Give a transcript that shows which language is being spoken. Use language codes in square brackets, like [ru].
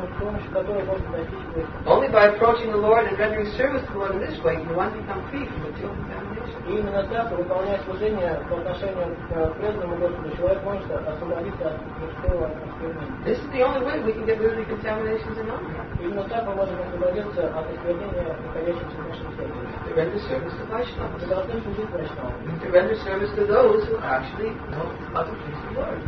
[en] Only by approaching the Lord and rendering service to the Lord in this way can one become free from material contamination. [ru] Именно так, выполняя служение по отношению к преданному Господу, человек может освободиться от мирского осквернения. [en] This is the only way we can get rid of the contaminations in our heart. [ru] Именно так мы можем освободиться от осквернения, находящихся в нашем сердце. [en] To render service to Vaishnavas. [ru] Мы должны служить Vaishnavas. [en] To render service to those who actually know how to please the Lord.